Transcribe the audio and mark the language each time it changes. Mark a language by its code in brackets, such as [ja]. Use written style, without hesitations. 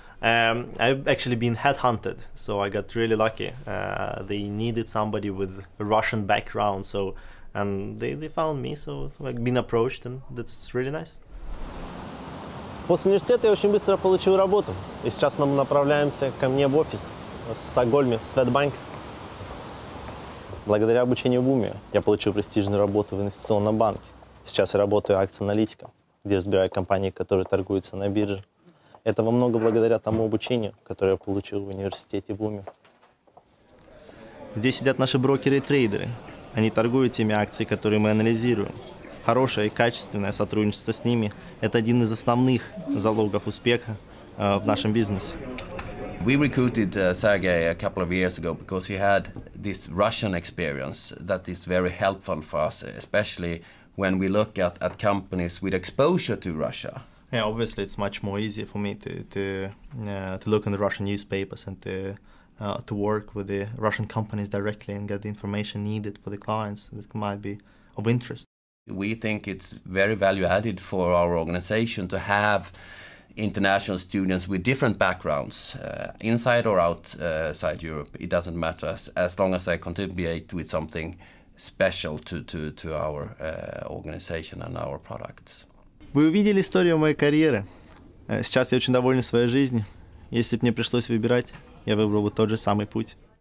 [en] I've actually been headhunted, so I got really lucky. They needed somebody with a Russian background, so and they found me, so I've been approached, and that's really nice. [ru] После университета я очень быстро получил работу, и сейчас мы направляемся ко мне в офис в Стокгольме, в Swedbank. Благодаря обучению в Уме я получил престижную работу в инвестиционном банке. Сейчас я работаю акционалитиком, где разбираю компании, которые торгуются на бирже. Это во многом благодаря тому обучению, которое я получил в университете в Уме. Здесь сидят наши брокеры и трейдеры. Они торгуют теми акциями, которые мы анализируем. Хорошее и качественное сотрудничество с ними – это один из основных залогов успеха в нашем бизнесе. [en] We recruited Sergey a couple of years ago because he had this Russian experience that is very helpful for us, especially when we look at companies with exposure to Russia. Yeah, obviously it's much more easy for me to look in the Russian newspapers and to work with the Russian companies directly and get the information needed for the clients that might be of interest. We think it's very value-added for our organization to have international students with different backgrounds, inside or outside Europe. It doesn't matter as long as they contribute with something special to our organization and our products. [ru] Вы увидели историю моей карьеры. Сейчас я очень доволен своей жизнью. Если бы мне пришлось выбирать, я выбрал бы тот же самый путь.